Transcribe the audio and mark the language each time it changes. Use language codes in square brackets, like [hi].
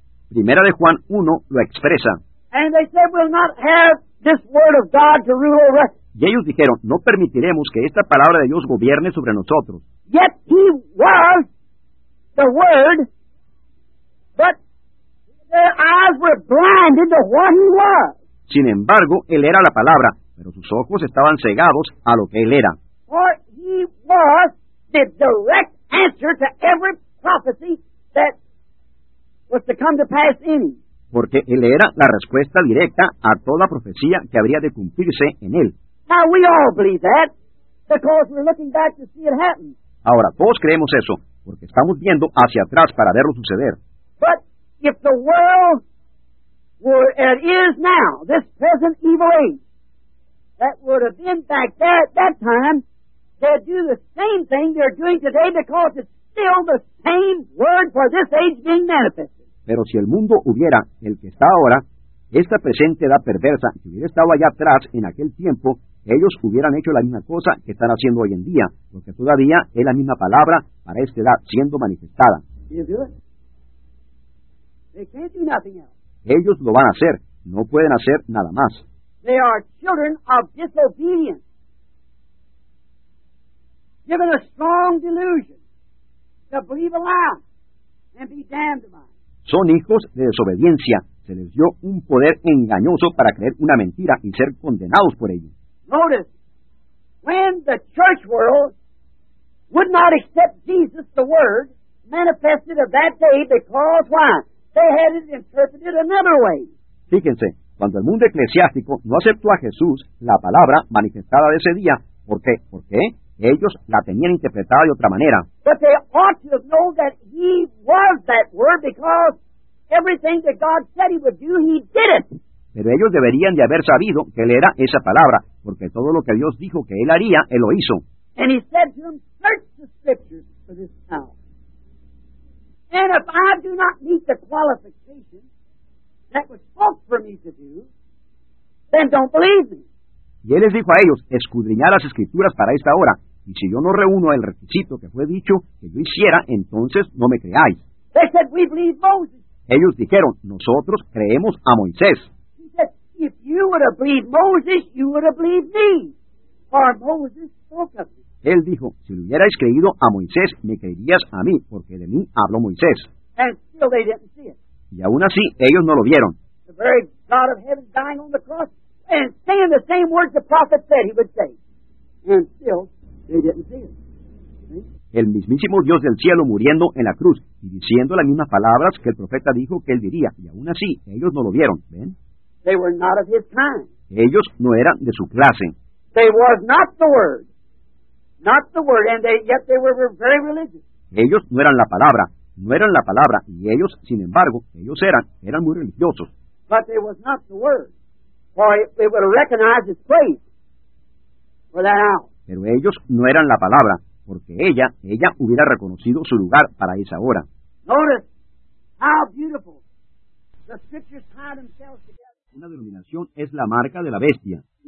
[es] Primera de Juan 1 lo expresa. [en] And they said, we'll not have this word of God to rule over. [es] Y ellos dijeron, no permitiremos que esta palabra de Dios gobierne sobre nosotros. [en] Yet he was the word, but their eyes were blinded to what he was. [es] Sin embargo, él era la palabra, pero sus ojos estaban cegados a lo que él era. [en] For he was the direct answer to every prophecy that was to come to pass in him. [es] Porque él era la respuesta directa a toda profecía que habría de cumplirse en él. [en] Now we all believe that because we're looking back to see it happen. [es] Ahora, todos creemos eso, porque estamos viendo hacia atrás para verlo suceder. [en] But if the world were as it is now, this present evil age, that would have been back there at that time, they'd do the same thing they're doing today because it's still the same word for this age being manifested. [es] Pero si el mundo hubiera el que está ahora, esta presente edad perversa, si hubiera estado allá atrás en aquel tiempo, ellos hubieran hecho la misma cosa que están haciendo hoy en día, porque todavía es la misma palabra para esta edad siendo manifestada. [en] They can't do nothing else. [es] Ellos lo van a hacer, no pueden hacer nada más. [en] They are children of disobedience, given a strong delusion to believe a lie and be damned by it. [es] Son hijos de desobediencia. Se les dio un poder engañoso para creer una mentira y ser condenados por ello. [en] Notice, when the church world would not accept Jesus, the word manifested of that day, because why? They had it interpreted another way. [es] Fíjense, cuando el mundo eclesiástico no aceptó a Jesús, la palabra manifestada de ese día, ¿por qué? ¿Por qué? Ellos la tenían interpretada de otra manera. [en] But they ought to have known that he was that word, because everything that God said he would do, he did it. [es] Pero ellos deberían de haber sabido que él era esa palabra, porque todo lo que Dios dijo que él haría, él lo hizo. [en] And he said to them, search the scriptures for this hour. And if I do not meet the qualifications that was spoke for me to do, then don't believe me. [es] Y él les dijo a ellos, escudriñad las escrituras para esta hora, y si yo no reúno el requisito que fue dicho que yo hiciera, entonces no me creáis. [en] They said, we believe Moses. [es] Ellos dijeron, nosotros creemos a Moisés. [en] He said, if you would have believed Moses, you would have believed me, for Moses spoke of me. [es] Él dijo, si le hubierais creído a Moisés, me creerías a mí, porque de mí habló Moisés. [en] And still they didn't see it. [es] Y aún así, ellos no lo vieron. [en] The very God of heaven dying on the cross and saying the same words the prophet said he would say. And still, they didn't see it. [es] El mismísimo Dios del cielo muriendo en la cruz y diciendo las mismas palabras que el profeta dijo que él diría, y aún así ellos no lo vieron, ¿ven? [en] They were not of his kind. [es] Ellos no eran de su clase. [en] They was not the word. Not the word, and they, yet they were very religious. [es] Ellos no eran la palabra. No eran la palabra, y ellos, sin embargo, ellos eran muy religiosos. [en] But they was not the word. For they would recognize his place for that hour. [es] Pero ellos no eran la palabra. Porque ella hubiera reconocido su lugar para esa hora. [en] Notice how beautiful the scriptures tie themselves together. [es] Una denominación es la marca de la bestia.